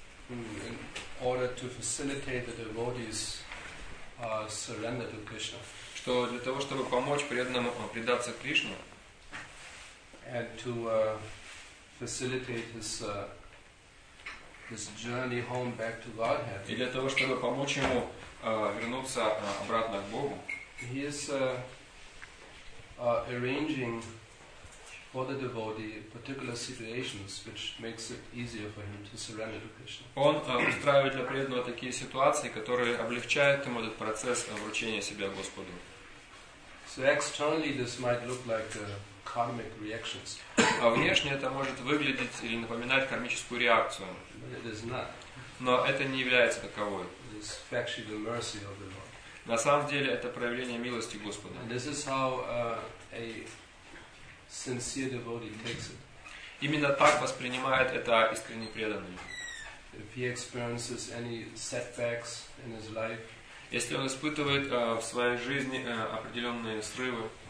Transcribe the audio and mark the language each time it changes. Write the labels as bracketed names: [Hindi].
[English] in order to facilitate the devotees surrender to Krishna, [Russian] что для того, чтобы помочь преданному предаться Кришне, [English] and to facilitate his journey home back to Godhead. [Russian] И для того, чтобы помочь ему вернуться обратно к Богу. [English] He is arranging for the devotee particular situations which makes it easier for him to surrender to Krishna. [Russian] Он устраивает для преданного такие ситуации, которые облегчают ему этот процесс вручения себя Господу. [English] So externally this might look like karmic reactions. [Russian] А внешне это может выглядеть или напоминать кармическую реакцию. [English] But it is not. [Russian] Но это не является таковой. [English] It is actually the mercy of the Lord. [Russian] На самом деле это проявление милости Господа. [English] And this is how a sincere devotee takes it. [Russian] Именно так воспринимает это искренне преданный. [English] If he experiences any setbacks in his life, [Russian] если он испытывает в своей жизни определенные срывы,